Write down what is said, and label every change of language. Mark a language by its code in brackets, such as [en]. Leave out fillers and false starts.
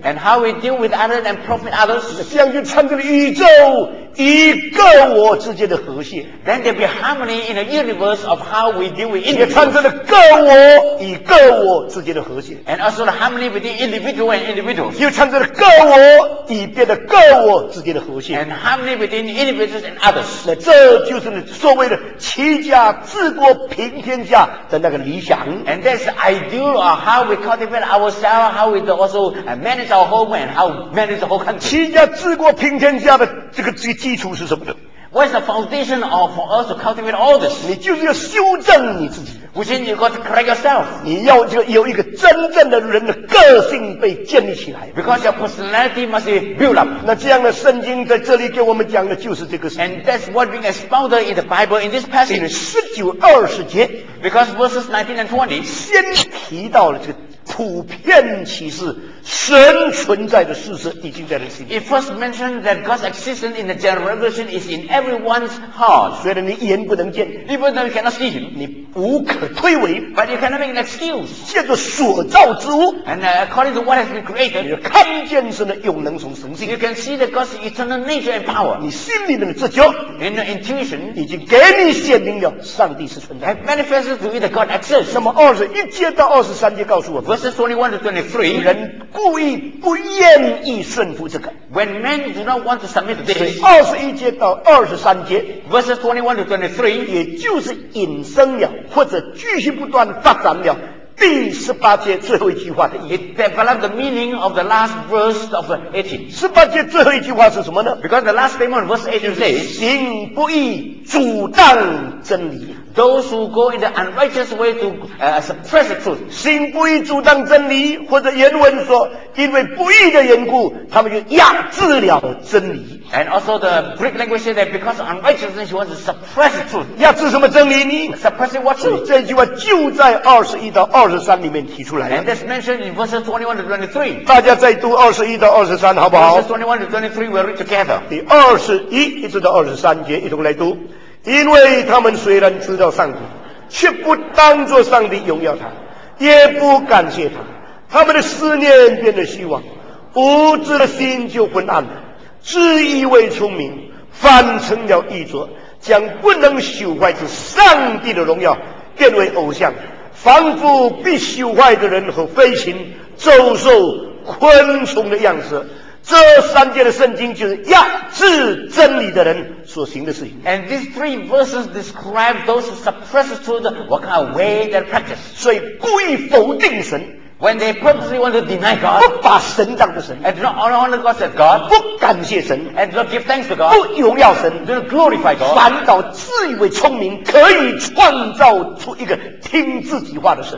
[en] And how he deal with others and profit others， [zh] 这样就创造了宇宙一个我之间的和谐。 [en] Then there be harmony in the universe of how we deal with individuals， [zh] 也创造了个我与个我之间的和谐。 [en] And also the harmony between individual and individuals， [zh] 又创造了个我与别的个我之间的和谐。 [en] And harmony between individuals and others， [zh] 那这就是所谓的齐家治国平天下的那个理想。 [en] And that's ideal of how we cultivate ourselves， how we also manage our home and how manage the whole country。 [zh] 齐家治国平天下的这个基础是什么的？ [en] What's the foundation of for us to cultivate all this？ [zh] 你就是要修正你自己。 [en] Which means you got to correct yourself。 [zh] 你要就有一个真正的人的个性被建立起来。 [en] Because your personality must be built up。 [zh] 那这样的圣经在这里给我们讲的就是这个事。 [en] And that's what being expounded in the Bible in this passage。 [zh] 因为十九二十节 [en] ，Because verses 19 and 20 [zh] 先提到了这个。普遍启示神存在的事实已经在人心里。 [en] It first mentioned that God's existence in the general revelation is in everyone's heart。 [zh] 虽然你眼不能见 [en] ，even though you cannot see him， [zh] 你无可推诿 [en] ，but you cannot make an excuse。 [zh] 借着所造之物 [en] ，and according to what has been created， [zh] 你就看见神的永能从神性。 [en] You can see that God's eternal nature and power。 [zh] 你心里面的直觉 [en] ，in your intuition， [zh] 已经给你显明了上帝是存在。 [en] Manifested to you that God exists。 [zh] 那么二十一节到二十三节告诉我们。 [en] Verse verses 21 to 23, [zh] 人故意不愿意顺服这个。 [en] When men do not want to submit to this, [zh] 二十一节到二十三节 [en] ，verses 21 to 23, [zh] 也就是引申了或者继续不断发展了第十八节最后一句话的意思。 [en] It developed the meaning of the last verse of the 18. [zh] 十八节最后一句话是什么呢 [en] ？Because the last statement of verse 18 says, [zh] 行不义，阻挡真理。 [en] Those who go in the unrighteous way to suppress the truth. [zh] 行不义阻挡真理，或者原文说，因为不义的缘故，他们就压制了真理。 [en] And also the Greek language says that because of unrighteousness, he wants to suppress the truth. [zh] 压制什么真理呢 [en] ？Suppressing what truth? [zh] 这句话就在二十一到二十三里面提出来了。 [en] And that's mentioned in verses 21 to 23. [zh] 大家再读二十一到二十三，好不好 [en] ？Verses 21 to 23, we'll read together. [zh] 第二十一一直到二十三节，一同来读。因为他们虽然知道上帝，却不当作上帝荣耀他，也不感谢他，他们的思念变得虚妄，无知的心就昏暗了，自以为聪明，反成了愚拙，将不能朽坏之上帝的荣耀变为偶像，仿佛必朽坏的人和飞禽走兽昆虫的样式。这三节的圣经就是压制真理的人所行的事情。 [en] And these three verses describe those who suppress the truth, what kind of way they practice. [zh] 所以故意否定神。 [en] When they purposely want to deny God, [zh] 不把神当作神。 [en] And do not honor God as God, [zh] 不感谢神。 [en] And do not give thanks to God, [zh] 不荣耀神。 [en] Do not glorify God, [zh] 反倒自以为聪明，可以创造出一个听自己话的神。